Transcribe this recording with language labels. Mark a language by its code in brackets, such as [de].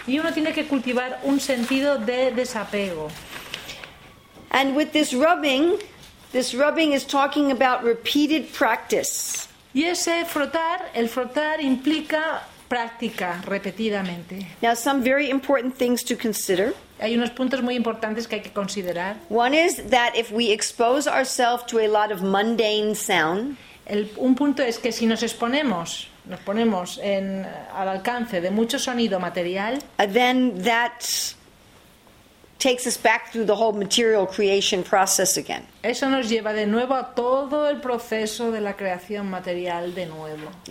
[es] Y uno tiene que cultivar un sentido de desapego. [en] And with this rubbing is talking about repeated practice. [es] Y ese frotar, el frotar implica práctica repetidamente. [en] Now some very important things to consider. [es] Hay unos puntos muy importantes que hay que considerar. [en] One is that if we expose ourselves to a lot of mundane sound, [es] un punto es que si nos ponemos al alcance de mucho sonido material, [en] then that takes us back through the whole material creation process again. [es] Eso nos lleva de nuevo a todo el proceso de la creación material de nuevo.